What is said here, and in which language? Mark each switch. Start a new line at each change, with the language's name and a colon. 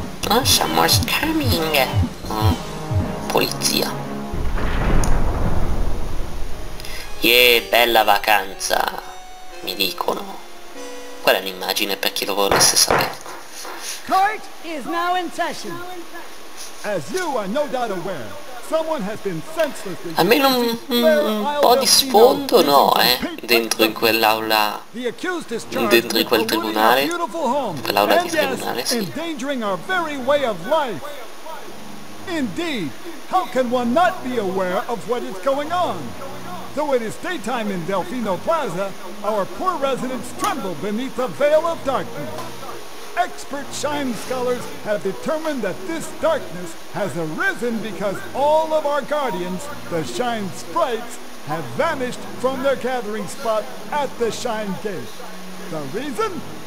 English: Oh, someone's coming. Polizia.
Italian: Yeah, bella vacanza, mi dicono. Qual è l'immagine per chi lo volesse sapere?
English: Court is now in session. As you are no doubt aware, someone has been senselessly...
Italian: Almeno un po' di sfondo, no, dentro in quell'aula, dentro in quel tribunale, quell'aula di tribunale, sì.
English: Endangering our very way of life. Indeed, how can one not be aware of what is going on? Though it is daytime in Delfino Plaza, our poor residents tremble beneath the veil of darkness. Expert shine scholars have determined that this darkness has arisen because all of our guardians, the shine sprites, have vanished from their gathering spot at the shine gate. The reason?